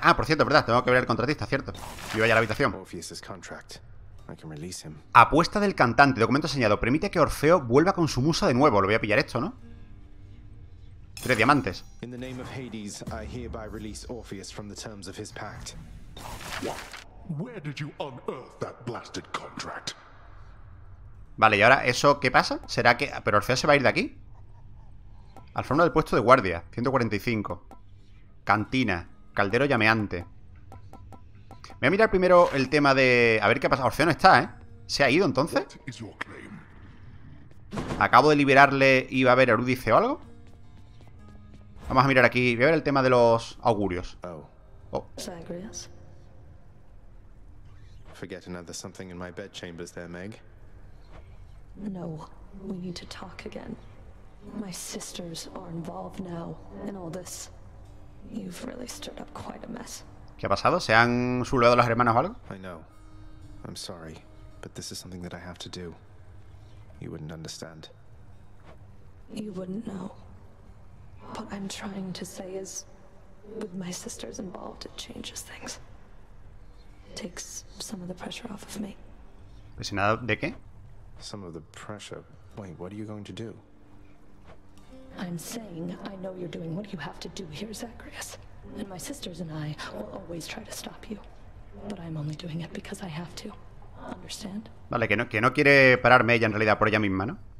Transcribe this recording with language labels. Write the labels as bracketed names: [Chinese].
[Spanish] Ah, por cierto, verdad, tengo que ver al contratista, cierto. Yo voy a la habitación. [English] Orpheus's contract. I can release him. [Spanish] Apuesta del cantante, documento señalado. Permite que Orfeo vuelva con su musa de nuevo. Lo voy a pillar esto, ¿no? Tres diamantes. [English] In the name of Hades, I hereby release Orpheus from the terms of his pact. What? Where did you unearth that blasted contract? [Spanish] Vale, y ahora, ¿eso qué pasa? ¿Será que...? ¿Pero Orfeo se va a ir de aquí? Al fondo del puesto de guardia. 145. Cantina. Caldero llameante. Voy a mirar primero el tema de... A ver qué pasa. Orfeo no está, ¿eh? ¿Se ha ido, entonces? Acabo de liberarle y va a haber Eurídice o algo. Vamos a mirar aquí. Voy a ver el tema de los augurios. Oh. [English] Forget another something in my bed chambers there, Meg. No, we need to talk again. My sisters are involved now in all this. You've really stirred up quite a mess. [Spanish] ¿Qué ha pasado? ¿Se han sublevado las hermanas o algo? [English] I know. I'm sorry, but this is something that I have to do. You wouldn't understand. You wouldn't know. What I'm trying to say is, with my sisters involved, it changes things. Takes some of the pressure off of me. [Spanish] ¿Presionado de qué? [English] Some of the pressure. Wait, what are you going to do? I'm saying I know you're doing what you have to do here, Zacharias. And my sisters and I will always try to stop you. But I'm only doing it because I have to. Understand? [Spanish] Vale, que no quiere pararme ella en realidad por ella misma, ¿no?